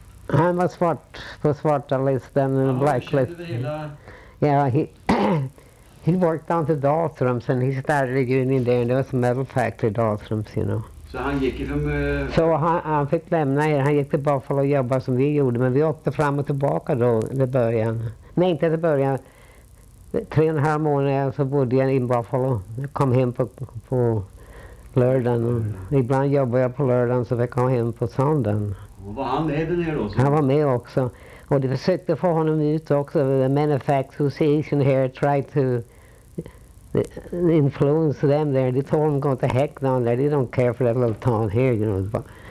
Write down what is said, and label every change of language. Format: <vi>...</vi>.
<sv>Han var svart på svarta listan och blacklist.</sv> <en>Yeah, he worked down to Dahlstrom's and he started a union there, and there was a metal factory, Dahlstrom's, you know.</en> <sv>Så han gick ifrån... Så han fick lämna er, han gick till Buffalo och jobbade som vi gjorde, men vi åkte fram och tillbaka då, i början. Nej, inte i början. 3.5 månader så bodde jag i Buffalo. Jag kom hem på lördagen. Ibland jobbade jag på lördagen, så jag kom hem på söndagen. Var han med den här då? Han var med också. Och de försökte få honom ut också.</sv> <en>The Manifact Association here tried to influence them there. De told him, go to heck down there. They don't care for that little town here, you know.</en>